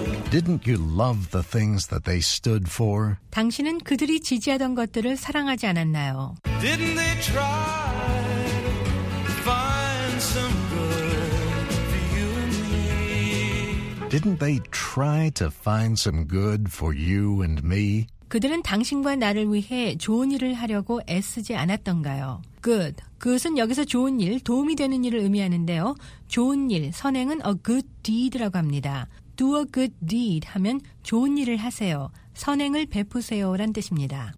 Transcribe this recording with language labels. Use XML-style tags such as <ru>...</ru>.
<en>Didn't you love the things that they stood for?</en> <ko>당신은 그들이 지지하던 것들을 사랑하지 않았나요?</ko> <en>Didn't they try to find some good for you and me? Didn't they try to find some good for you and me?</en> <ko>그들은 당신과 나를 위해 좋은 일을 하려고 애쓰지 않았던가요?</ko> <en>Good.</en> <ko>그것은 여기서 좋은 일, 도움이 되는 일을 의미하는데요. 좋은 일, 선행은</ko> <en>a good deed</en> <ko>라고 합니다.</ko> <en>Do a good deed</en> <ko>하면 좋은 일을 하세요. 선행을 베푸세요란 뜻입니다.</ko>